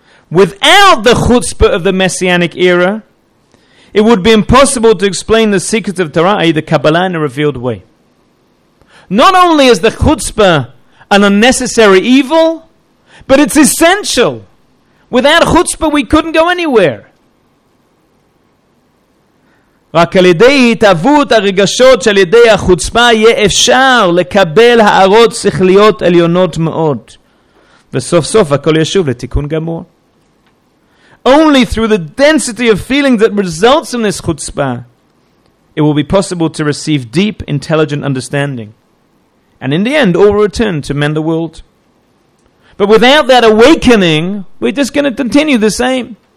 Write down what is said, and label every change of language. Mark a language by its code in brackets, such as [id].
[en] Without the chutzpah of the Messianic era, it would be impossible to explain the secrets of Torah, i.e. the Kabbalah, in a revealed way. Not only is the chutzpah an unnecessary evil, but it's essential. Without chutzpah, we couldn't go anywhere. [he] רק על ידי התאבות הרגשות של ידי החוצפה יהיה אפשר לקבל הערות שכליות עליונות מאוד. וסוף סוף הכל ישוב לתיקון גמור. [en] Only through the density of feeling that results in this chutzpah, it will be possible to receive deep, intelligent understanding. And in the end, all will return to mend the world. But without that awakening, we're just going to continue the same.